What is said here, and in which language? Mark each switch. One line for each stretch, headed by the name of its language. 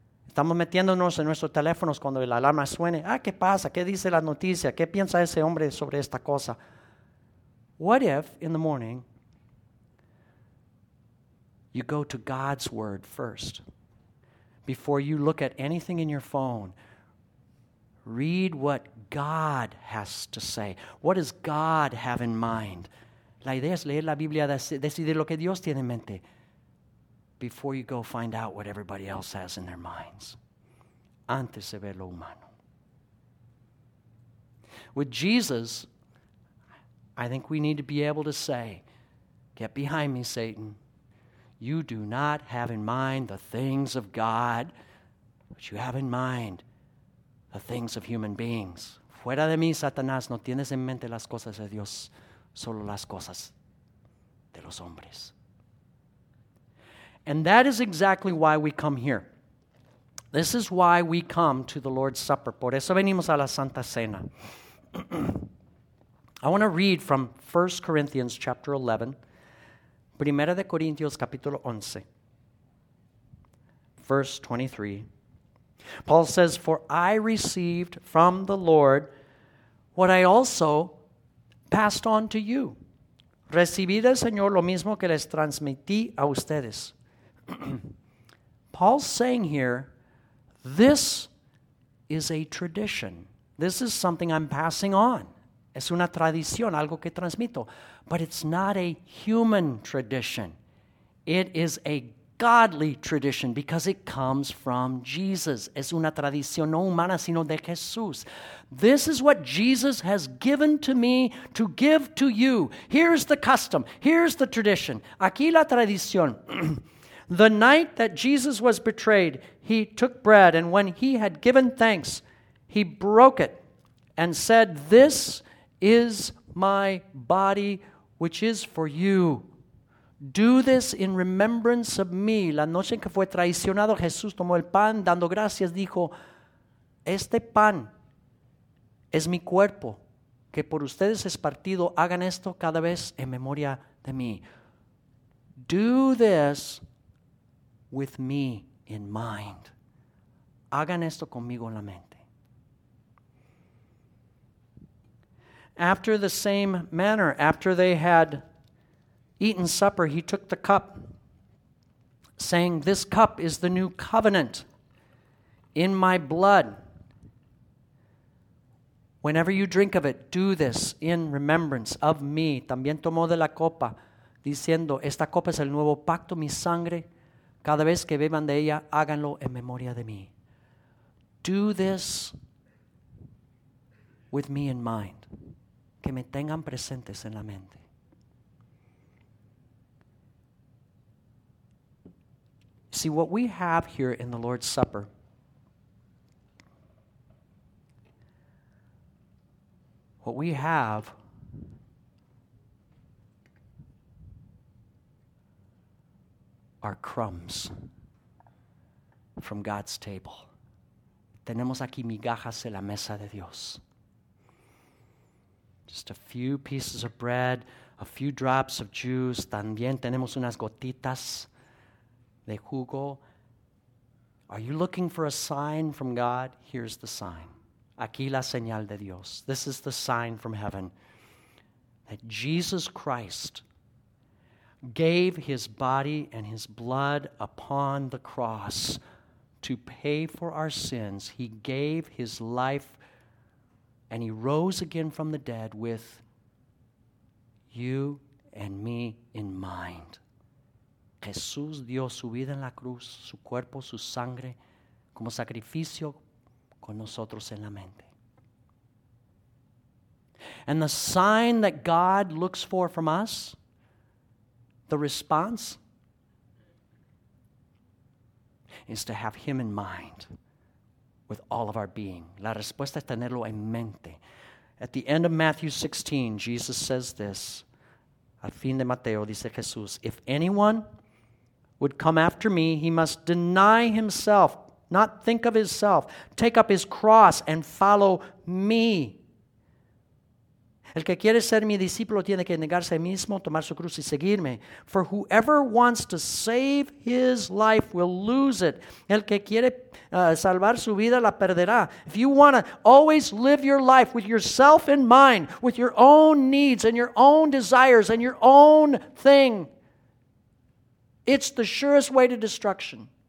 Spanish: Estamos metiéndonos en nuestros teléfonos cuando la alarma suene. Ah, ¿qué pasa? ¿Qué dice la noticia? ¿Qué piensa ese hombre sobre esta cosa?
English: What if, in the morning, you go to God's Word first? Before you look at anything in your phone, read what God has to say. What does God have in mind?
Spanish: La idea es leer la Biblia, decidir lo que Dios tiene en mente.
English: Before you go find out what everybody else has in their minds.
Spanish: Antes de ver lo humano.
English: With Jesus, I think we need to be able to say, get behind me, Satan. You do not have in mind the things of God, but you have in mind the things of human beings.
Spanish: Fuera de mí, Satanás, no tienes en mente las cosas de Dios, solo las cosas de los hombres.
English: And that is exactly why we come here. This is why we come to the Lord's Supper.
Spanish: Por eso venimos a la Santa Cena.
English: I want to read from 1 Corinthians chapter 11.
Spanish: Primera de Corintios capítulo 11.
English: Verse 23. Paul says, "For I received from the Lord what I also passed on to you."
Spanish: Recibí del Señor lo mismo que les transmití a ustedes.
English: Paul's saying here, this is a tradition. This is something I'm passing on.
Spanish: Es una tradición, algo que transmito.
English: But it's not a human tradition. It is a godly tradition because it comes from Jesus.
Spanish: Es una tradición no humana, sino de Jesús.
English: This is what Jesus has given to me to give to you. Here's the custom. Here's the tradition.
Spanish: Aquí la tradición.
English: The night that Jesus was betrayed, he took bread, and when he had given thanks, he broke it and said, "This is my body, which is for you. Do this in remembrance of me."
Spanish: La noche en que fue traicionado, Jesús tomó el pan, dando gracias, dijo, "Este pan es mi cuerpo, que por ustedes es partido. Hagan esto cada vez en memoria de mí."
English: Do this with me in mind.
Spanish: Hagan esto conmigo en la mente.
English: After the same manner, after they had eaten supper, he took the cup, saying, "This cup is the new covenant in my blood. Whenever you drink of it, do this in remembrance of me."
Spanish: También tomó de la copa, diciendo, "Esta copa es el nuevo pacto, mi sangre. Cada vez que beban de ella, háganlo en memoria de mí."
English: Do this with me in mind.
Spanish: Que me tengan presentes en la mente.
English: See, what we have here in the Lord's Supper What we have are crumbs from God's table.
Spanish: Tenemos aquí migajas de la mesa de Dios.
English: Just a few pieces of bread, a few drops of juice.
Spanish: También tenemos unas gotitas de jugo.
English: Are you looking for a sign from God? Here's the sign.
Spanish: Aquí la señal de Dios.
English: This is the sign from heaven that Jesus Christ gave his body and his blood upon the cross to pay for our sins. He gave his life and he rose again from the dead with you and me in mind.
Spanish: Jesús dio su vida en la cruz, su cuerpo, su sangre, como sacrificio con nosotros en la mente.
English: And the sign that God looks for from us, the response, is to have him in mind with all of our being.
Spanish: La respuesta es tenerlo en mente.
English: At the end of Matthew 16, Jesus says this.
Spanish: Al fin de Mateo, dice Jesús,
English: if anyone would come after me, he must deny himself, not think of himself, take up his cross and follow me.
Spanish: El que quiere ser mi discípulo tiene que negarse a mismo, tomar su cruz y seguirme.
English: For whoever wants to save his life will lose it.
Spanish: El que quiere salvar su vida la perderá.
English: If you want to always live your life with yourself in mind, with your own needs and your own desires and your own thing, it's the surest way to destruction.